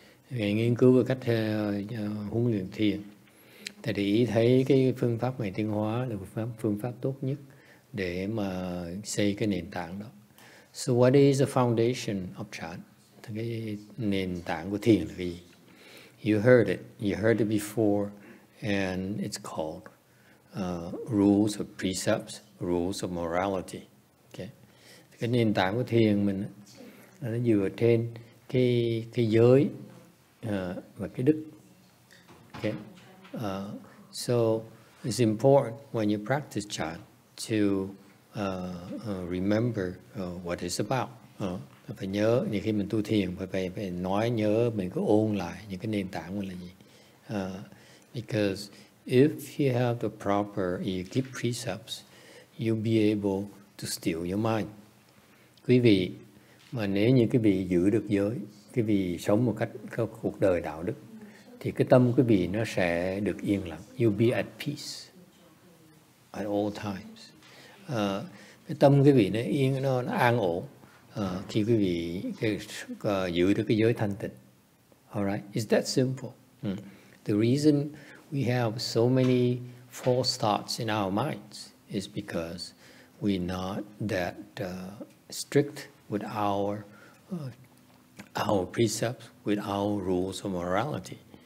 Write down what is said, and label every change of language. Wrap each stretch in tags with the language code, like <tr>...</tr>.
<vi>Nghiên cứu về cách huấn luyện thiền, tại vì ý thấy cái phương pháp này tiến hóa là phương pháp tốt nhất để mà xây cái nền tảng đó.</vi> <en>So what is the foundation of chan?</en> <vi>Cái nền tảng của thiền là gì?</vi> <en>You heard it before, and it's called rules of precepts, rules of morality. Okay.</en> <vi>Cái nền tảng của thiền mình nó dựa trên cái giới và cái đức.</vi> <en>Okay. So it's important when you practice chan to remember what it's about.</en> <vi>Phải nhớ, như khi mình tu thiền phải nói nhớ, mình cứ ôn lại những cái nền tảng mình là gì.</vi> <en>Because if you have the proper, you keep precepts, you'll be able to steal your mind.</en> <vi>Quý vị, mà nếu như quý vị giữ được giới, quý vị sống một cách, có cuộc đời đạo đức, thì cái tâm quý vị nó sẽ được yên lặng.</vi> <en>You'll be at peace at all times.</en> <vi>Cái tâm quý vị nó yên, nó an ổn khi quý vị giữ được cái giới thanh tịnh.</vi> <en>Alright, it's that simple. The reason we have so many false thoughts in our minds is because we're not that strict with our precepts, with our rules of morality.</en>